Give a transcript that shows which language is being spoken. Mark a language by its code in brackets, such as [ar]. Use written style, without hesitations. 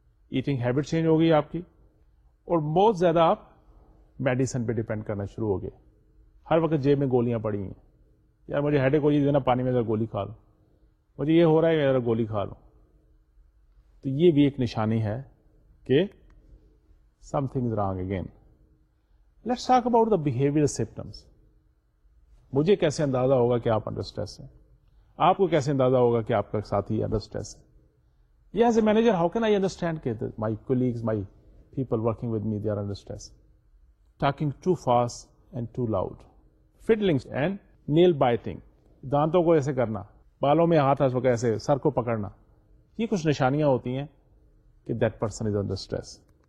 [ur] Eating habit change ہو گئی آپ کی, اور بہت زیادہ آپ میڈیسن پہ ڈیپینڈ کرنا شروع ہو گئے, ہر وقت جیب میں گولیاں پڑی ہیں, یار مجھے ہیڈ ایک ہو جی دینا پانی میں ذرا گولی کھا لوں, مجھے یہ ہو رہا ہے ذرا گولی کھا لوں, تو یہ بھی ایک نشانی ہے کہ [en] Something is wrong again. Let's talk about the behaviour symptoms. [ur] مجھے کیسے اندازہ ہوگا کہ آپ انڈر اسٹریس ہیں؟ آپ کو کیسے اندازہ ہوگا کہ آپ کا ساتھی انڈر اسٹریس ہے؟ یا [en] as a manager how can I understand [ur] کہ [en] my colleagues, my people working with me, they are under stress, talking too fast and too loud, fiddling and nail biting, [ur] دانتوں کو ایسے کرنا, بالوں میں ہاتھ وغیرہ ایسے, سر کو پکڑنا, یہ کچھ نشانیاں ہوتی ہیں کہ [en] That person is under stress.